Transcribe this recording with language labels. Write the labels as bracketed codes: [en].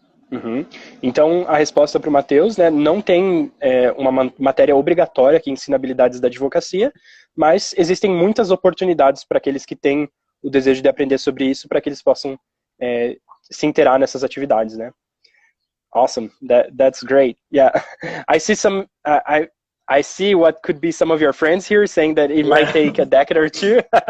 [pt] Uhum. Então, a resposta para o Matheus, né, não tem uma matéria obrigatória que ensina habilidades da advocacia, mas existem muitas oportunidades para aqueles que têm o desejo de aprender sobre isso, para que eles possam se inteirar nessas atividades, né? [en] Awesome, that's great. Yeah, I see some, I see what could be some of your friends here saying that it might take a decade or two.